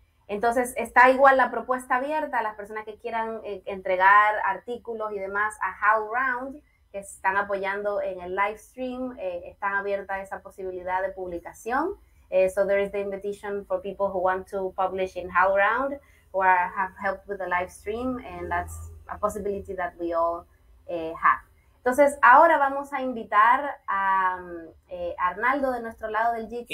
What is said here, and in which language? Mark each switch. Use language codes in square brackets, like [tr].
[es] Entonces, está igual la propuesta abierta a las personas que quieran entregar artículos y demás a HowlRound, que están apoyando en el live stream, están abiertas esa posibilidad de publicación. [en] So there is the invitation for people who want to publish in HowlRound or have helped with the live stream, and that's a possibility that we all have. [es] Entonces, ahora vamos a invitar a Arnaldo de nuestro lado del Jitsi.